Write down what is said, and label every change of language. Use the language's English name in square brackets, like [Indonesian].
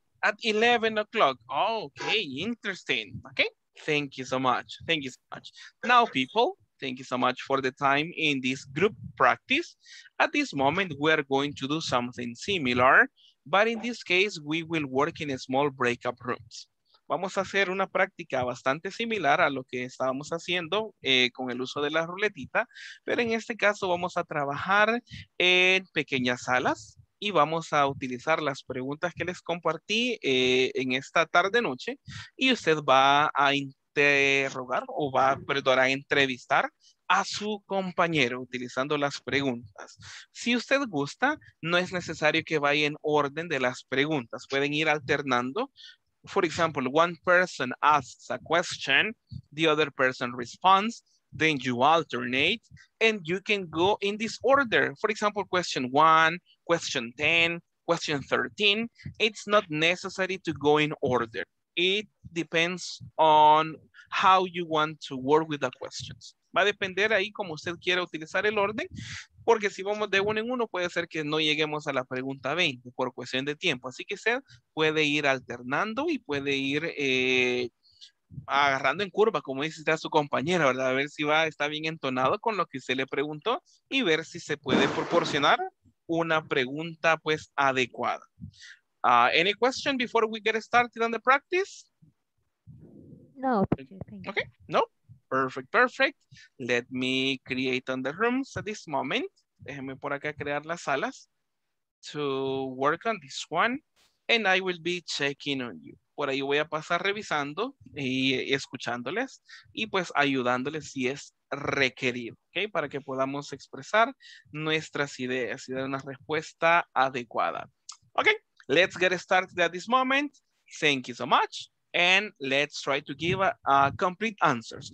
[English] At 11 o'clock. Oh, okay, interesting. Okay. Thank you so much. Now, people, thank you so much for the time in this group practice. At this moment, we are going to do something similar, but in this case, we will work in small breakup rooms. [Spanish] Vamos a hacer una práctica bastante similar a lo que estábamos haciendo con el uso de la ruletita, pero en este caso vamos a trabajar en pequeñas salas. Y vamos a utilizar las preguntas que les compartí en esta tarde-noche. Y usted va a interrogar o va, perdón, a entrevistar a su compañero utilizando las preguntas. Si usted gusta, no es necesario que vaya en orden de las preguntas. Pueden ir alternando. [English] For example, one person asks a question, the other person responds. then you alternate, and you can go in this order. For example, question 1, question 10, question 13. It's not necessary to go in order. It depends on how you want to work with the questions. [Spanish] Va a depender ahí como usted quiera utilizar el orden, porque si vamos de uno en uno, puede ser que no lleguemos a la pregunta 20 por cuestión de tiempo. Así que usted puede ir alternando y puede ir agarrando en curva, como dice ya su compañera, ¿verdad? A ver si va, está bien entonado con lo que usted le preguntó y ver si se puede proporcionar una pregunta, pues, adecuada. [English] Any question before we get started on the practice? No. Okay, no. Perfect, perfect. Let me create on the rooms at this moment. [Spanish] Déjenme por acá crear las salas [English] to work on this one. And I will be checking on you. [Spanish] Por ahí voy a pasar revisando y escuchándoles y pues ayudándoles si es requerido, ¿ok? Para que podamos expresar nuestras ideas y dar una respuesta adecuada. [English] Ok, let's get started at this moment. Thank you so much. And let's try to give a complete answers.